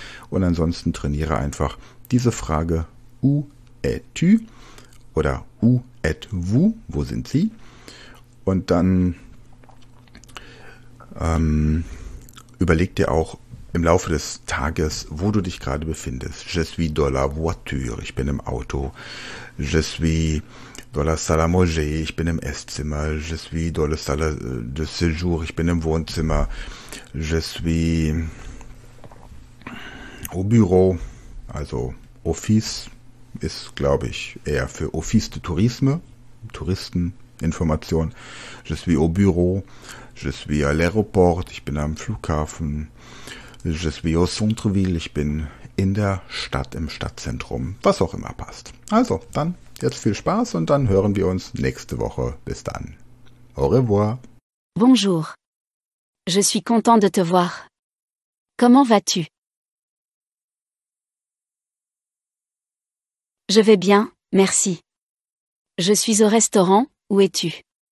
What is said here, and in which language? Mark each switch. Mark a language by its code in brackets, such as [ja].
[de] Und ansonsten trainiere einfach diese Frage, [fr] où es-tu [de] oder [fr] où êtes-vous, [de] wo sind Sie? Und dann überleg dir auch im Laufe des Tages, wo du dich gerade befindest. [fr] Je suis dans la voiture, [de] ich bin im Auto. [fr] Je suis dans la salle à manger, [de] ich bin im Esszimmer. [fr] Je suis dans la salle de séjour, [de] ich bin im Wohnzimmer. [fr] Je suis au bureau, [de] also Office ist, glaube ich, eher für Office de Tourisme, Touristeninformation. [fr] Je suis au bureau, je suis à l'aéroport, [de] ich bin am Flughafen. [fr] Je suis au centre-ville, [de] ich bin in der Stadt, im Stadtzentrum, was auch immer passt. Also, dann jetzt viel Spaß und dann hören wir uns nächste Woche. Bis dann. [fr] Au revoir. Bonjour. Je suis content de te voir. Comment vas-tu? Je vais bien, merci. Je suis au restaurant, où es-tu?